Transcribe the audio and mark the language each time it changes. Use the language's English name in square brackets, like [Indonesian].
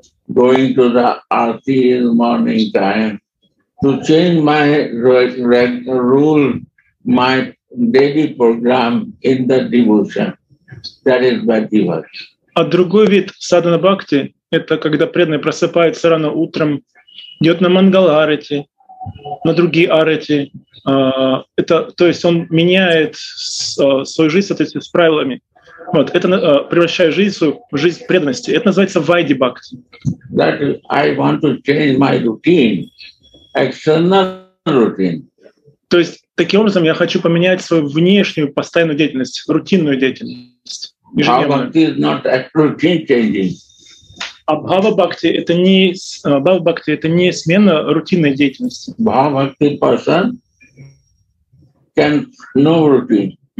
[English] Going to the aarti in morning time to change my rule, my daily program in the devotion. That is bhakti work. [Russian] А другой вид садхана бхакти — это когда преданный просыпается рано утром, идет на мангаларати, на другие арати. Это, то есть он меняет свою жизнь, соответственно, с правилами. Вот, это превращает жизнь свою в жизнь преданности. Это называется вайди бхакти. [English] That I want to change my routine, external routine. [Russian] То есть таким образом я хочу поменять свою внешнюю постоянную деятельность, рутинную деятельность. [English] Bhava bhakti is not routine changing. [Russian] А bhava bhakti это не смена рутинной деятельности. [English] Bhava bhakti person can no routine.